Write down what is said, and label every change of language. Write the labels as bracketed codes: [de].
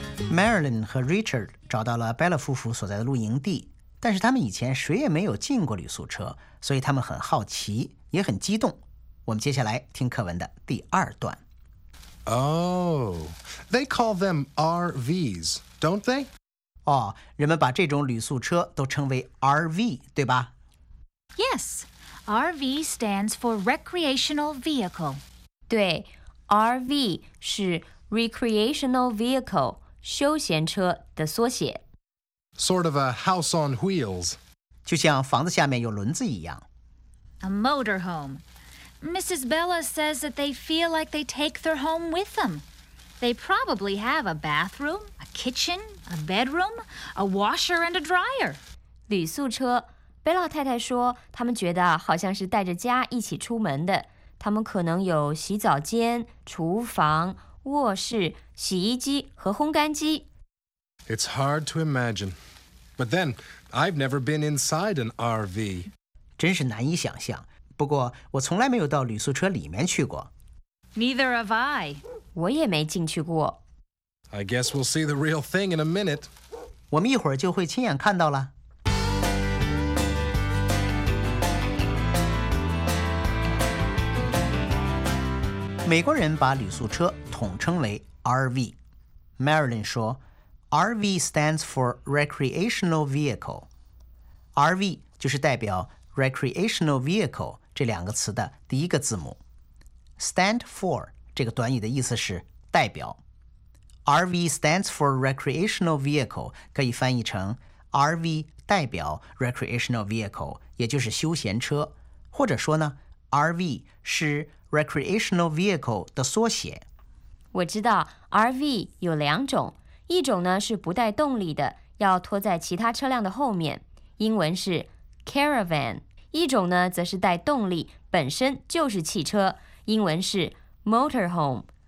[zh] Marilyn 和 Richard 找到了 Bella 夫妇所在的露营地，但是他们以前谁也没有进过旅宿车，所以他们很好奇，也很激动。我们接下来听课文的第二段。 [en] Oh, they call them RVs, don't they? [zh] 哦，人们把这种旅宿车都称为 RV, 对吧？ [en] Yes, RV stands for recreational vehicle. [zh] 对， RV 是 recreational vehicle。休闲车的缩写 [en] ，sort of a house on wheels， [zh] 就像房子下面有轮子一样。 [en] A motor home. Mrs. Bella says that they feel like they take their home with them. They probably have a bathroom, a kitchen, a bedroom, a washer and a dryer. [zh] 旅宿车，贝拉太太说，他们觉得好像是带着家一起出门的。他们可能有洗澡间、厨房、卧室、洗衣机和烘干机。 [en] It's hard to imagine. But then, I've never been inside an RV. [zh] 真是难以想象。不过我从来没有到旅宿车里面去过。 [en] Neither have I. [zh] 我也没进去过。 [en] I guess we'll see the real thing in a minute. [zh] 我们一会儿就会亲眼看到了。美国人把旅宿车统称为 RV。Marilyn 说 , [en] RV stands for recreational vehicle。 [zh] RV 就是代表 recreational vehicle 这两个词的第一个字母。 stand for 这个短语的意思是代表。 [en] RV stands for recreational vehicle [zh] 可以翻译成 RV 代表 recreational vehicle, 也就是休闲车。或者说呢 ,RV 是Recreational Vehicle 的缩写。我知道 RV 有两种，一种呢是不带动力的，要拖在其他车辆的后面，英文是 Caravan， 一种呢则是带动力，本身就是汽车，英文是 Motorhome。